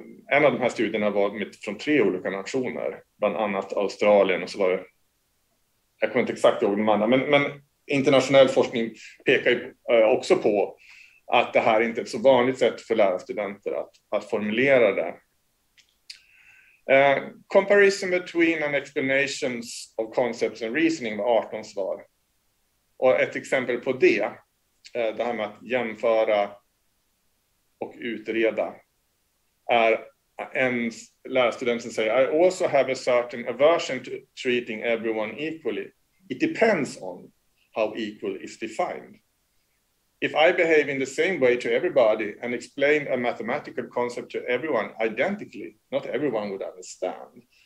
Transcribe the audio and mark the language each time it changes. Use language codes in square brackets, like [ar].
[sv] En av de här studierna var från 3 olika nationer, bland annat Australien, och så var det, jag kommer inte exakt ihåg de andra, men internationell forskning pekar ju också på att det här inte är ett så vanligt sätt för lärarstudenter att formulera det. [en] Comparison between and explanations of concepts and reasoning [sv] var 18 svar. Och ett exempel på det här med att jämföra och utreda, är en lärarstudent som säger, [en] I also have a certain aversion to treating everyone equally. It depends on how equal is defined. if I behave in the same way to everybody and explain a mathematical concept to everyone identically, not everyone would understand.